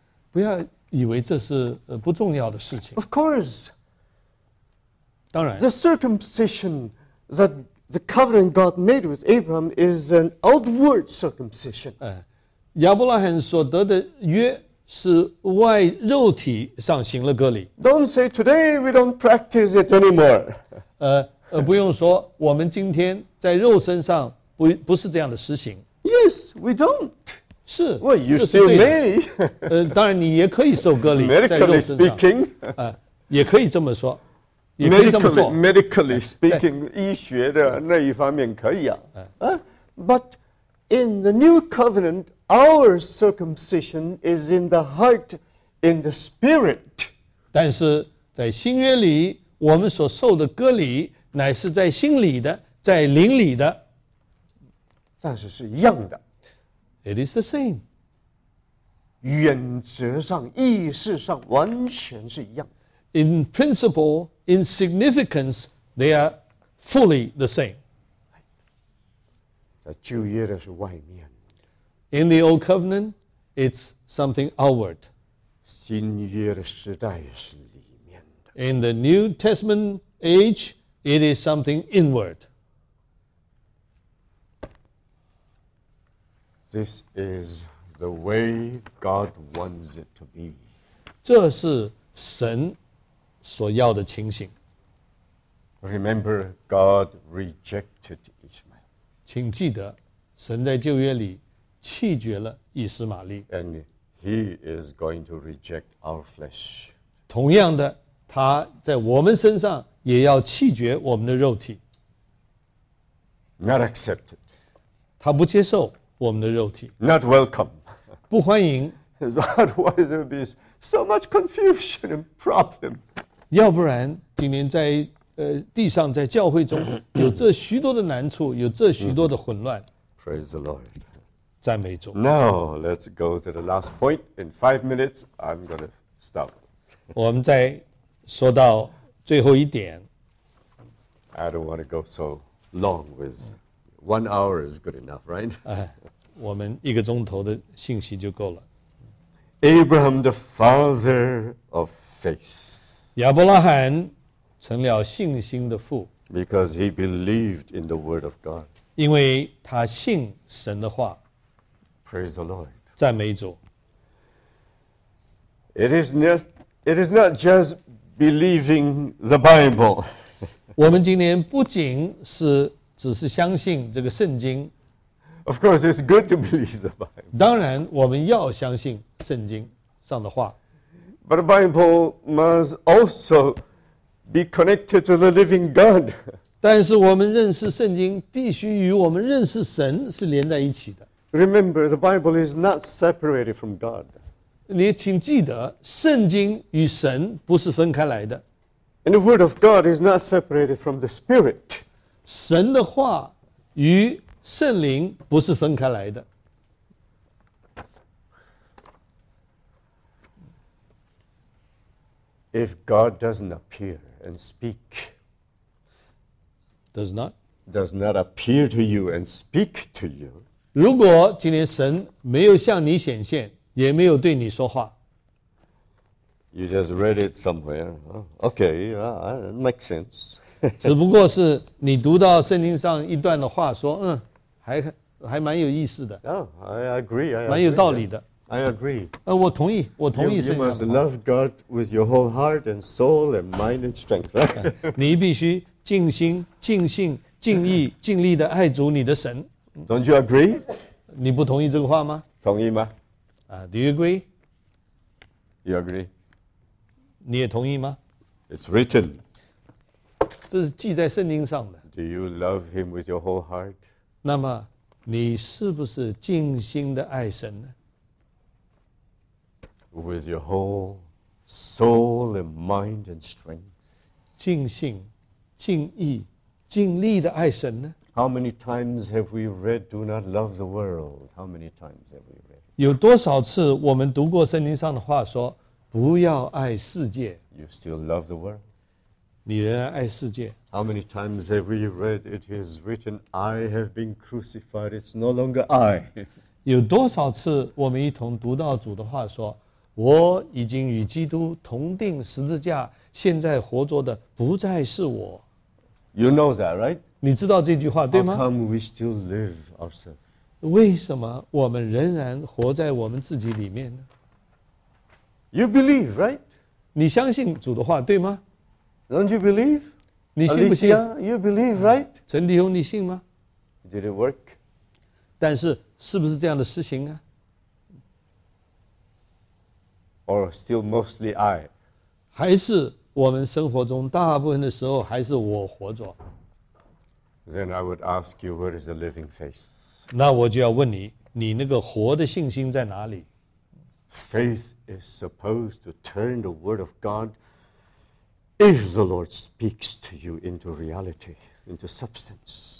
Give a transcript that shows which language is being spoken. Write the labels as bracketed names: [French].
[Chinese] 不要以为这是不重要的事情。 [English] Of course. [Chinese] 当然。 [English] The circumcision that the covenant God made with Abraham is an outward circumcision. [Chinese] 亚伯拉罕所得的约是外肉体上行了割礼。 [English] Don't say today we don't practice it anymore. [Chinese] 不用说，我们今天在肉身上不是这样的实行。 [English] Yes, we don't. [Chinese] 是。 [English] Well, you still may. [Chinese] 当然你也可以受割礼，在肉身上。 [English] Medically speaking. [Chinese] 也可以这么说，也可以这么做。 [English] Medically speaking, [Chinese] 医学的那一方面可以啊。 [English] But in the new covenant,Our circumcision is in the heart, in the spirit. [Chinese] 但是在新约里，我们所受的割礼乃是在心里的，在灵里的。但是是一样的。 [English] It is the same. [Chinese] 原则上、意识上完全是一样。 [English] In principle, in significance, they are fully the same. [Chinese] 在旧约的是外面。 [English] In the old covenant, it's something outward. [Chinese] 新约的时代是里面的。 [English] In the New Testament age, it is something inward. This is the way God wants it to be. [Chinese] 这是神所要的情形。 [English] Remember, God rejected Ishmael. [Chinese] 请记得，神在旧约里弃绝了以实玛利 [English] and he is going to reject our flesh. [Chinese] 同样的，他在我们身上也要弃绝我们的肉体。 [English] Not accepted. [Chinese] 他不接受我们的肉体。 [English] Not welcome. [Chinese] 不欢迎。 [English] Otherwise, there will be so much confusion and problem. [Chinese] 要不然，今天在地上，在教会中有这许多的难处，有这许多的混乱。 [English] Praise the Lord. [Chinese] 赞美主。 [English] Now let's go to the last point. In 5 minutes, I'm going to stop. [Chinese] 我们再说到最后一点。 [English] I don't want to go so long. With 1 hour is good enough, right? [Chinese] 我们一个钟头的信息就够了。 [English] Abraham, the father of faith. [Chinese] 亚伯拉罕成了信心的父。 [English] Because he believed in the word of God. [Chinese] 因为他信神的话。 [English] Praise the Lord. [Chinese] 赞美主。 [English] It is not just believing the Bible. [Chinese] 我们今天不仅是只是相信这个圣经。 [English] Of course, it's good to believe the Bible. [Chinese] 当然，我们要相信圣经上的话。 [English] But the Bible must also be connected to the living God. [Chinese] 但是我们认识圣经必须与我们认识神是连在一起的。 [English] Remember, the Bible is not separated from God. [Chinese] 你请记得，圣经与神不是分开来的。 [English] And the Word of God is not separated from the Spirit. [Chinese] 神的话与圣灵不是分开来的。 [English] If God doesn't appear and speak, does not appear to you and speak to you. [Chinese] 如果今天神没有向你显现，也没有对你说话 [English] ，You just read it somewhere. Okay, it makes sense. [Chinese] 只不过是你读到圣经上一段的话，说还蛮有意思的。 [English] I agree. [Chinese] 蛮有道理的。 [English] I agree. [Chinese] 我同意，我同意圣经。 [English] You must love God with your whole heart and soul and mind and strength. [Chinese] 你必须尽心、尽性、尽意、尽力的爱主你的神。 [English] Don't you agree? [Chinese] 你不同意这个话吗？同意吗？ [English] Do you agree? You agree? [Chinese] 你也同意吗？ [English] It's written. [Chinese] 这是记在圣经上的。 [English] Do you love him with your whole heart? [Chinese] 那么你是不是尽心的爱神呢？ [English] With your whole soul and mind and strength. [Chinese] 尽心、尽意、尽力的爱神呢？ [English] How many times have we read, do not love the world? How many times have we read? [Chinese] 有多少次我们读过圣经上的话说不要爱世界 [English] You still love the world? [Chinese] 你仍然爱世界 [English] How many times have we read, it is written, I have been crucified, it's no longer I? [Chinese] 有多少次我们一同读到主的话说我已经与基督同钉十字架现在活着的不再是我 [English] You know that, right? [Chinese] 你知道这句话对吗？ [English] How come we still live ourselves? [Chinese] 为什么我们仍然活在我们自己里面呢？ [English] You believe, right? [Chinese] 你相信主的话，对吗？ [English] Don't you believe? [Chinese] 你信不信？ [English] Alicia, you believe, right? [Chinese] 陈弟兄，你信吗？ [English] Did it work? [Chinese] 但是是不是这样的事情啊？ [English] Or still mostly I? [Chinese] 还是我们生活中大部分的时候还是我活着？ [English] Then I would ask you, where is the living faith? [Chinese] 那我就要问你，你那个活的信心在哪里？ [English] Faith is supposed to turn the word of God if the Lord speaks to you into reality, into substance.